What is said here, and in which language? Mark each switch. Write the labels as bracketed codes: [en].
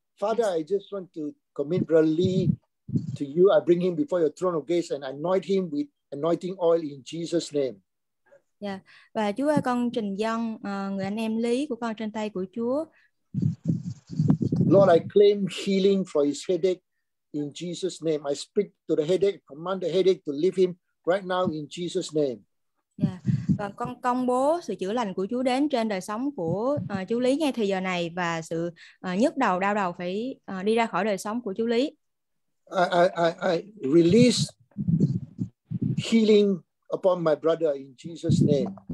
[en] Father, I just want to commit Brother Lee to you. I bring him before your throne of grace and anoint him with anointing oil in Jesus' name. Yeah. [vi] Và Chúa ơi, con trình dâng người anh em Lý của con trên tay của Chúa. [en] Lord, I claim healing for his headache in Jesus' name. I speak to the headache, command the headache to leave him right now in Jesus' name. Yeah. [vi] Và con công bố sự chữa lành của Chúa đến trên đời sống của chú Lý ngay thời giờ này và sự nhức đầu, đau đầu phải đi ra khỏi đời sống của chú Lý. [en] I release healing upon my brother in Jesus' name.